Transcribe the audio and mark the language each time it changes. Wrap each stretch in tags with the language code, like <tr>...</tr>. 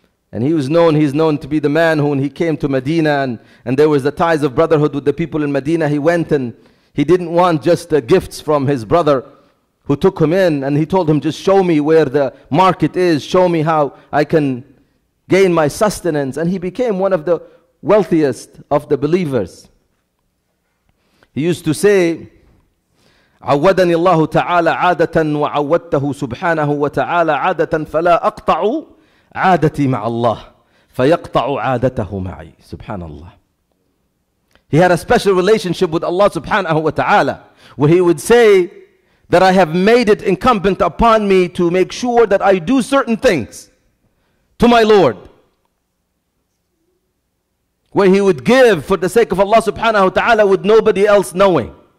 <en>And he's known to be the man who, when he came to Medina and there was the ties of brotherhood with the people in Medina, he went and he didn't want just the gifts from his brother who took him in, and he told him, just show me where the market is, show me how I can gain my sustenance. And he became one of the wealthiest of the believers. He used to say,</en> <ar>عَوَّدَنِ اللَّهُ تَعَالَى عَادَةً وَعَوَّدْتَهُ سُبْحَانَهُ وَتَعَالَى عَادَةً فَلَا أَقْطَعُ عَادَتِي مَعَ اللَّهِ فَيَقْطَعُ عَادَتَهُ مَعِي. Subhanallah.</ar> <en>He had a special relationship with Allah subhanahu wa ta'ala, where he would say that I have made it incumbent upon me to make sure that I do certain things to my Lord. Where he would give for the sake of Allah subhanahu wa ta'ala with nobody else knowing.</en>